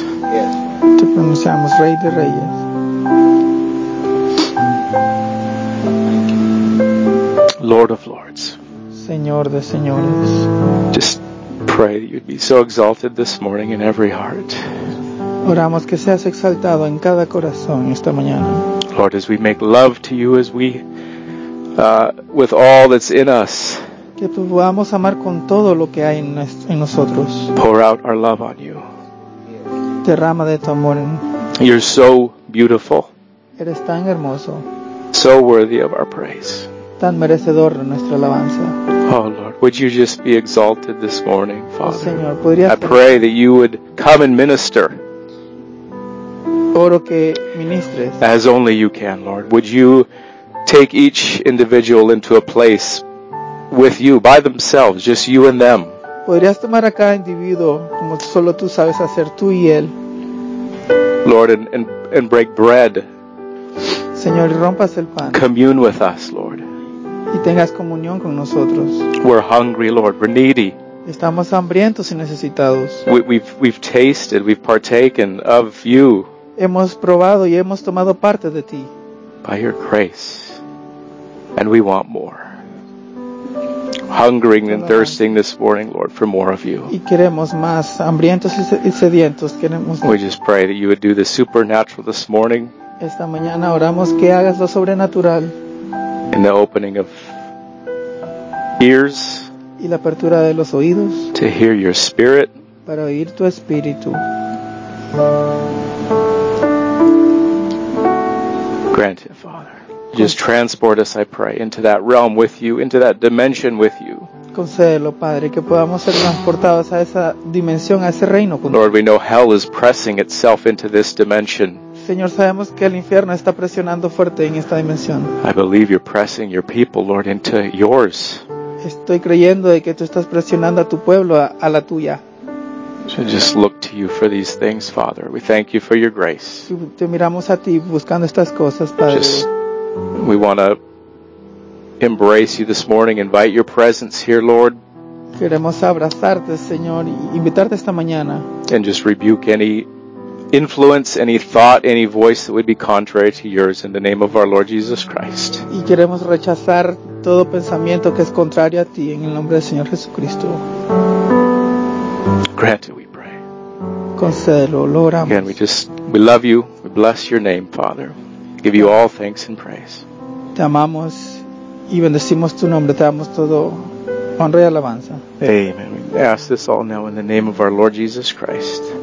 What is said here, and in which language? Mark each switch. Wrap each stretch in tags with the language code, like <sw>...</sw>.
<en>Yes.</en> <es>Te pronunciamos Rey de Reyes.</es> <en>Lord of Lords.</en> <es>Señor de señores.</es> <en>Just pray that you'd be so exalted this morning in every heart.</en> <es>Oramos que seas exaltado en cada corazón esta mañana.</es> <en>Lord, as we make love to you, as we with all that's in us.</en> <es>Que podamos amar con todo lo que hay en nosotros.</es> <en>Pour out our love on you.</en> <es>Derrama de tu amor.</es> <en>You're so beautiful.</en> <es>Eres tan hermoso.</es> <en>So worthy of our praise.</en> <es>Tan merecedor de nuestra alabanza.</es> <en>Oh Lord, would you just be exalted this morning, Father?</en> <es>Señor, ¿podrías</es> <en>I pray that you would come and minister.</en> <es>Oro que ministres.</es> <en>As only you can, Lord. Would you take each individual into a place with you, by themselves, just you and them?</en> <es>¿Podrías tomar a cada individuo como solo tú sabes hacer, tú y él?</es> <en>Lord, and break bread.</en> <es>Señor, rompas el pan.</es> <en>Commune with us, Lord.</en> <es>Y tengas comunión con nosotros.</es> <en>We're hungry, Lord. We're needy.</en> <es>Estamos hambrientos y necesitados.</es> <en>We've tasted, we've partaken of you.</en> <es>Hemos probado y hemos tomado parte de ti.</es> <en>By your grace. And we want more. Hungering and thirsting this morning, Lord, for more of you.</en> <es>Y queremos más, hambrientos y sedientos, queremos.</es> <en>We just pray that you would do the supernatural this morning.</en> <es>Esta mañana oramos que hagas lo sobrenatural.</es> <en>In the opening of ears.</en> <es>Y la apertura de los oídos.</es> <en>To hear your spirit.</en> <es>Para oír tu espíritu.</es> <en>Grant it, Father. Just transport us, I pray, into that realm with you, into that dimension with you.</en> <es>Concédelo, Padre, que podamos ser transportados a esa dimensión, a ese reino con.</es> <en>Lord, we know hell is pressing itself into this dimension.</en> <es>Señor, sabemos que el infierno está presionando fuerte en esta dimensión.</es> <en>I believe you're pressing your people, Lord, into yours.</en> <es>Estoy creyendo de que tú estás presionando a tu pueblo a la tuya.</es> <en>So just look to you for these things, Father. We thank you for your grace.</en> <es>Te miramos a ti buscando estas cosas, Padre.</es> <en>We want to embrace you this morning, invite your presence here, Lord.</en> <es>Queremos abrazarte, Señor, invitarte esta mañana.</es> <en>And just rebuke any influence, any thought, any voice that would be contrary to yours in the name of our Lord Jesus Christ.</en> <es>Y queremos rechazar todo pensamiento que es contrario a ti en el nombre del Señor Jesucristo.</es> <en>Grant it, we pray.</en> <es>Concédelo, lo oramos.</es> <en>Again, we love you, we bless your name, Father. Give you all thanks and praise.</en> <es>Te amamos y bendecimos tu nombre. Te damos todo honra y alabanza.</es> <en>Amen. We ask this all now in the name of our Lord Jesus Christ.</en>